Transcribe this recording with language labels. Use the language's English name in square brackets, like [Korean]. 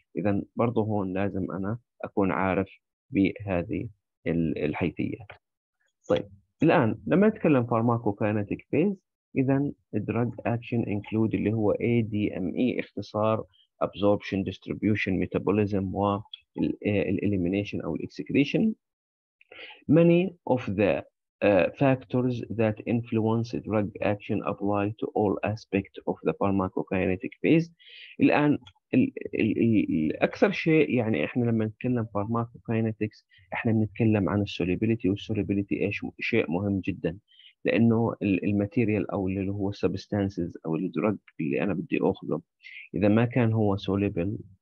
[Arabic] اذا برضه هون لازم انا اكون عارف بهذه الحيثيات. طيب الان لما نتكلم فارماكوكاينتيك فيز، إذا الدرج اكشن انكلود اللي هو اي دي ام اي، اختصار ابزوربشن ديستريبيوشن ميتابوليزم والاليمينيشن او الاكسكريشن. [English] many of the factors that influence drug action apply to all aspects of the pharmacokinetic phase. [Arabic] الان الاكثر شيء، يعني احنا لما نتكلم pharmacokinetics احنا بنتكلم عن السوليبيليتي، والسوليبيليتي ايش شيء مهم جدا، لانه الماتيريال او اللي هو السبستانسز او الدرج اللي انا بدي اخذه اذا ما كان هو سوليبل